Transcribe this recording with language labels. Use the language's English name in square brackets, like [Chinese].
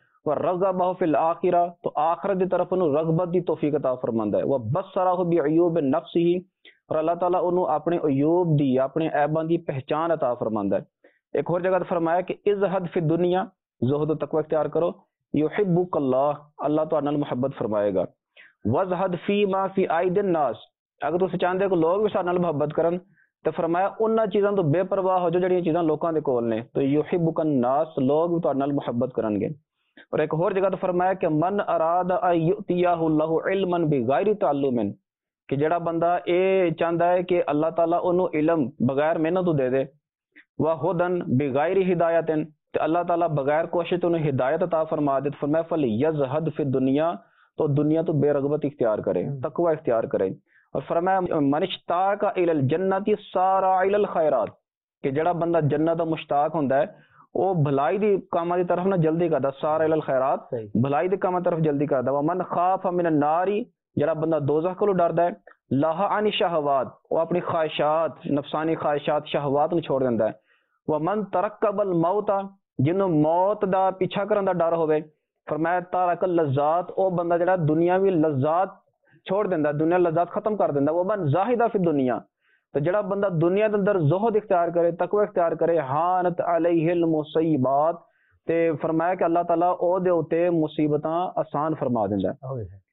[Arabic] وَرَغَبَهُ فِي الْآخِرَةِ, [Punjabi] تو آخرت دی طرف انہوں رغبت دی توفیق عطا فرماندا ہے. [Arabic] وَبَصَّرَهُ بِعُيُوبِ نَفْسِهِ, [Punjabi] اور اللہ تعالیٰ انہوں اپنے عیوب دی اپنے عیباں دی پہچان عطا فرماندا ہے. ایک اور جگہ فرمایا کہ [Arabic] ازہد فی دنیا, [Punjabi] زہد و تقوی اختیار کرو, [Arabic] یحبک اللہ, [Punjabi] اللہ تعالیٰ نال محبت فرمائے گا. [Arabic] وَزْہَدْ فِي مَا فِي أَيْدِ النَّاسِ, [Punjabi] اگر تو چاہتے ہو کہ لوگ بھی سانال محبت کرن, تو فرمایا انہاں چیزاں تو بے پرواہ ہو جو جڑیاں چیزاں لوکاں دے کول نے, تو [Arabic] یحبک الناس, [Punjabi] لوگ بھی تہاڈے نال محبت کرن گے. اور ایک اور جگہ تو فرمایا کہ [Arabic] من اراد ایتیہ اللہ علما بغیر تعلم, [Punjabi] کہ جڑا بندہ اے چاہندا ہے کہ اللہ تعالی اونوں علم بغیر محنت تو دے دے, [Arabic] وا ہدن بغیر ہدایتن, [Punjabi] تے اللہ تعالی بغیر کوشش اونوں ہدایت عطا فرما دے. تو فرمایا [Arabic] فل یزہد فی دنیا, [Punjabi] تو دنیا تو بے رغبت اختیار کرے, تقوی اختیار کرے. اور فرمایا [Arabic] من اشتاق الی الجنت سارع الی الخیرات, [Punjabi] کہ جڑا بندہ جنت دا مشتاق ہوندا ہے وہ بھلائی دی کاما دی طرف نہ جلدی کردا, سارا ال خیرات بھلائی دی کاما طرف جلدی کردا. [Arabic] من خاف من النار, [Punjabi] جڑا بندہ دوزخ کولو ڈردا ہے, [Arabic] لاہ عن شہوات, [Punjabi] وہ اپنی خواہشات نفسانی خواہشات شہوات نو چھوڑ دیندا ہے. [Arabic] ومن ترکب الموت, [Punjabi] جنوں موت دا پیچھا کرن دا ڈر ہوے, فرمایا [Arabic] تارک اللذات, [Punjabi] او بندہ جڑا دنیاوی لذات چھوڑ دیندا, دنیا لذات ختم کر دیندا. [Arabic] وہ من زاہدہ فی دنیا, [Punjabi] تو جڑا بندہ دنیا دے اندر زہد اختیار کرے, تقوی اختیار کرے, [Arabic] حانت علیہ المصیبات, [Punjabi] تے فرمایا کہ اللہ تعالیٰ او دے اوتے مصیبتاں آسان فرما دیندا ہے.